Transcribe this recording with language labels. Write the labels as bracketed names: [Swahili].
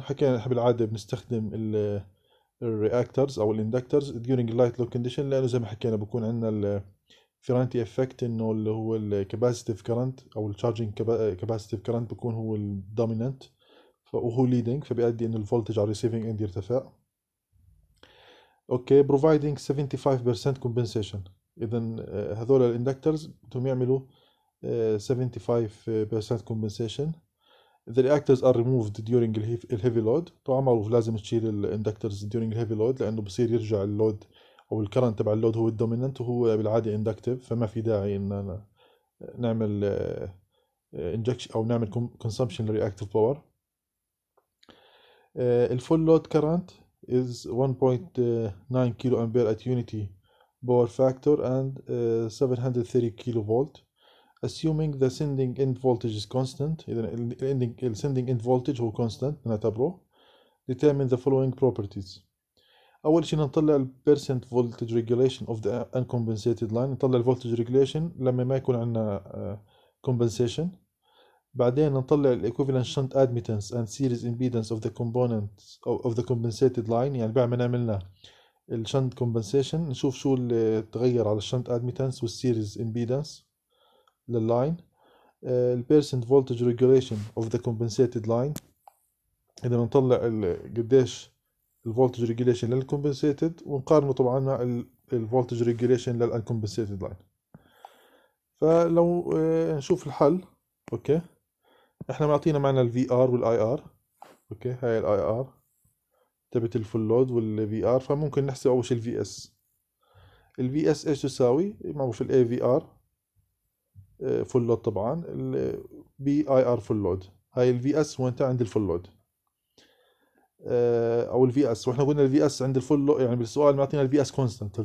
[Arabic] حكينا بالعاده بنستخدم ال الرياكترز او الاندكترز [English] during light load condition [Arabic] لانه زي ما حكينا بكون عندنا الفيرانتي افكت انه اللي هو الكاباسيتيف كرنت او التشارجنج كاباسيتيف كرنت بكون هو الدوميننت وهو ليدنج فبيؤدي انه الفولتج على الريسيفنج اند يرتفع. اوكي بروفايدنج 75% كومبنسيشن. اذا هذول الاندكترز بدهم يعملوا 75% كومبنسيشن. [English] The reactors are removed during the heavy load. [Arabic] طبعا معروف لازم تشيل الاندكترز [English] during heavy load [Arabic] لانه بصير يرجع اللود او الكرنت تبع اللود هو الدوميننت وهو بالعاده اندكتيف، فما في داعي ان نعمل انجكشن او نعمل [English] consumption reactive power. الفول load current is 1.9 kilo ampere at unity power factor and 730 kilo volt. Assuming the sending end voltage is constant, [Arabic] إذا ال sending end voltage هو constant نعتبره, [English] determine the following properties. [Arabic] أول شيء نطلع ال [English] percent voltage regulation of the uncompensated line. [Arabic] نطلع ال voltage regulation لما ما يكون عندنا compensation. بعدين نطلع ال [English] equivalent shunt admittance and series impedance of the components of the compensated line. [Arabic] يعني بعد ما نعملنا ال shunt compensation نشوف شو اللي تغير على ال shunt admittance وال series impedance. [English] The line, the percent voltage regulation of the compensated line. [Arabic] إذا نطلع قديش [English] the voltage regulation [Arabic] لل compensated ونقارنه طبعاً مع the voltage regulation لل uncompensated line. فلو نشوف الحل، أوكي. إحنا معطينا معنا ال VR وال IR، أوكي. هاي ال IR تبعت ال full load وال VR. فممكن نحسب أول شيء ال VS. ال VS إيش تساوي؟ معروف ال AVR. فول لود طبعا البي اي ار فول لود. هاي الفي اس وانت عند الفول لود او الفي اس، واحنا قلنا الفي اس عند الفول لود يعني بالسؤال معطينا الفي اس كونستانت.